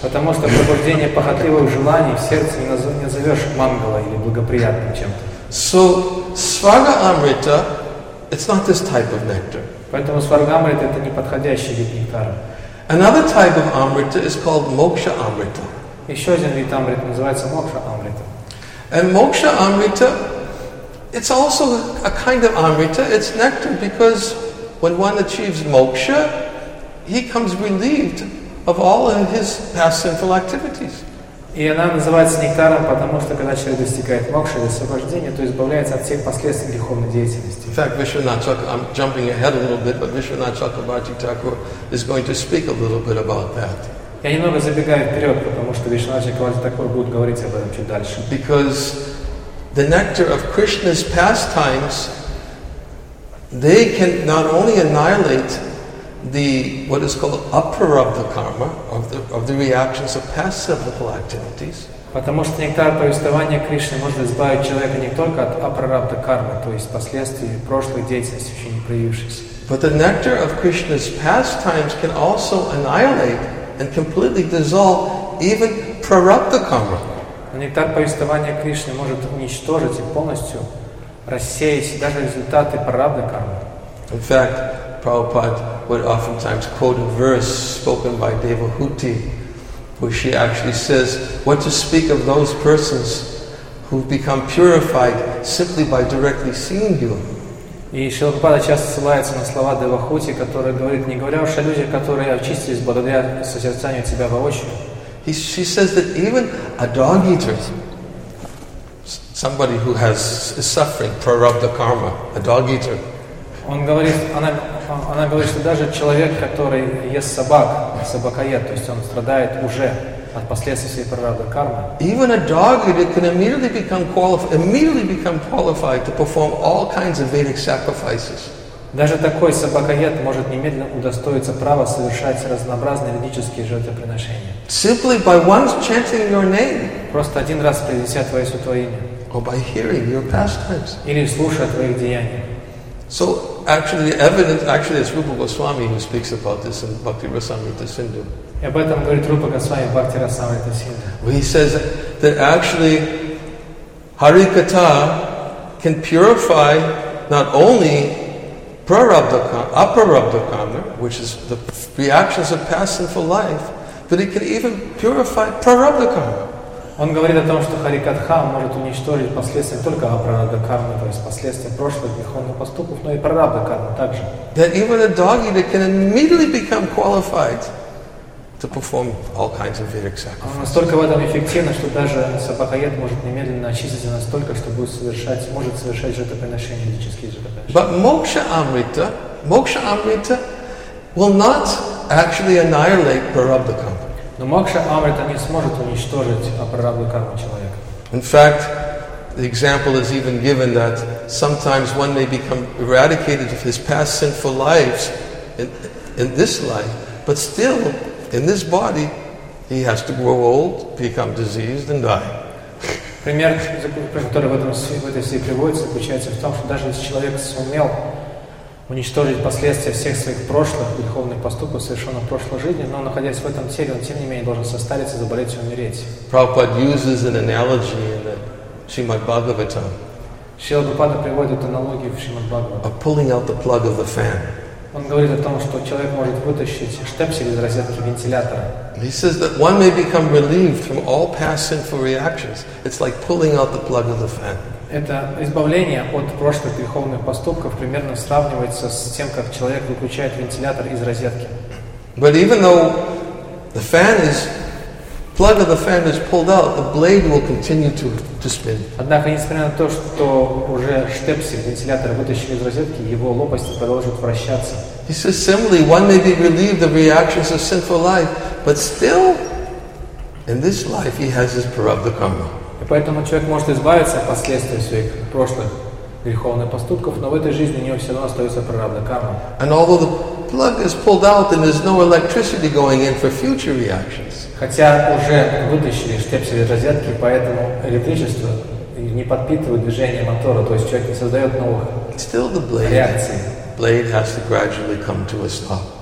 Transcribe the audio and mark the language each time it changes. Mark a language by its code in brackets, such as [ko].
[ru] Потому что пробуждение похотливых желаний в сердце не назовешь мангала или благоприятным чем-то. [en] So svarga amrita, it's not this type of nectar. [ru] Поэтому сварга амрита это не подходящий вид нектара. [en] Another type of amrita is called moksha amrita. [ru] Еще один вид амрита называется мокша амрита. [en] And мокша амрита, it's also a kind of амрита. It's nectar because when one achieves мокша, he comes relieved of all of his past sinful activities. [ru] И она называется нектаром, потому что когда человек достигает мокши, освобождения, то избавляется от всех последствий греховной деятельности. [en] In fact, I'm jumping ahead a little bit, but Vishwanath Chakrabarti Thakur is going to speak a little bit about that. [ru] Я немного забегаю вперед, потому что Вишванат Чакрабарти Такур будет говорить об этом чуть дальше. [en] Because the nectar of Krishna's pastimes, they can not only annihilate the what is called aprarabdha karma of the reactions of past sinful activities. [ru] Потому что нектар повествования Кришны может избавить человека не только от апрарабдха кармы, то есть последствий прошлой деятельности, еще не проявившейся. [en] But the nectar of Krishna's pastimes can also annihilate and completely dissolve even prarabdha karma. [ru] Нектар повествования Кришны может уничтожить и полностью рассеять даже результаты прарабдха кармы. [en] In fact, Prabhupada would oftentimes quote a verse spoken by Devahuti, where she actually says, "What to speak of those persons who become purified simply by directly seeing you?" [ru] И Шрила Прабхупада часто ссылается на слова Девахути, которые говорит, не говоря уж о людях, которые очистились благодаря созерцанию тебя воочию. [en] She says that even a dog eater, somebody who has is suffering prarabdha karma, a dog eater. [ru] Она говорит, что даже человек, который ест собак, собакоед, то есть он страдает уже от последствий своей прарабдха кармы. [en] Even a dog eater can immediately become qualified to perform all kinds of Vedic sacrifices. [ru] Даже такой собакоед может немедленно удостоиться права совершать разнообразные ведические жертвоприношения. [en] Simply by once chanting your name. [ru] Просто один раз произнеся твое святое имя. [en] Or by hearing your pastimes. [ru] Или слушая твои деяния. [en] So actually, the evidence, actually, it's Rupa Goswami who speaks about this in Bhakti Rasamrita Sindhu. [ru] об этом говорит Рупа Госвами Бхакти Расамрита Синда. [en] He says that actually Харикатха can purify not only prarabdha karma, aprarabdha karma, which is the reactions of past sinful life, but it can even purify prarabdha karma. [ru] Он говорит о том, что Харикатха может уничтожить последствия только апрарабдха кармы, то есть последствия прошлых греховных поступков, но и прарабдха карма также. [en] That even a dog eater can immediately become qualified to perform all kinds of Vedic sacrifices. [ru] Он настолько в этом эффективен, что даже собакоед может немедленно очиститься настолько, что будет совершать, может совершать жертвоприношения, ведические жертвоприношения. [en] But moksha amrita will not actually annihilate prarabdha karma. [ru] Но мокша амрита не сможет уничтожить апрарабдху карму человека. [en] In fact, the example is even given that sometimes one may become eradicated of his past sinful lives in this life, but still in this body he has to grow old, become diseased and die. [ru] Пример, который в этой связи приводится, заключается в том, что даже если человек сумел уничтожить последствия всех своих прошлых греховных поступков, совершенных в прошлой жизни, но находясь в этом теле, он тем не менее должен состариться, заболеть и умереть. [en] Prabhupada uses an analogy in the Srimad Bhagavatam. [ru] Шрила Прабхупада приводит аналогию в Шримад Бхагаватам. [en] Of pulling out the plug of the fan. [ru] Он говорит о том, что человек может вытащить штепсель из розетки вентилятора. [en] He says that one may become relieved from all past sinful reactions. It's like pulling out the plug of the fan. [ru] Это избавление от прошлых греховных поступков примерно сравнивается с тем, как человек выключает вентилятор из розетки. [en] But even though the fan is plug of the fan is pulled out, the blade will continue to spin. [ru] Однако, несмотря на то, что уже штепсель вентилятора вытащили из розетки, его лопасти продолжат вращаться. [en] He says similarly, one may be relieved of reactions of sinful life, but still in this life he has his prarabdha karma. [ru] И поэтому человек может избавиться от последствий своих прошлых греховных поступков, но в этой жизни у него все равно остается прарабдха карма. [en] And although the plug is pulled out and there's no electricity going in for future reactions. [ru] Хотя уже вытащили штепсель из розетки, поэтому электричество не подпитывает движение мотора, то есть человек не создает новых реакций. [en] Still the blade has to gradually come to a stop.